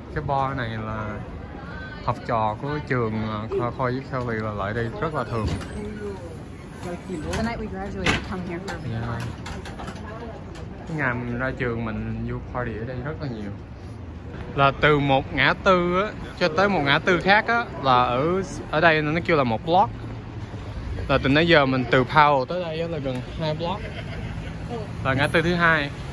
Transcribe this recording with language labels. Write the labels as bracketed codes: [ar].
[vi] Cái bar này là học trò của trường Khoa Khoa với Kelly là lại đây rất là thường. [en] The night we graduated, we come here for a yeah. [vi] Ngày ra trường mình vô party ở đây rất là nhiều. Là từ một ngã tư á, cho tới một ngã tư khác á, là ở đây nó kêu là một block. Là từ nãy giờ mình từ Powell tới đây á, là gần 2 block. Là ngã tư thứ hai.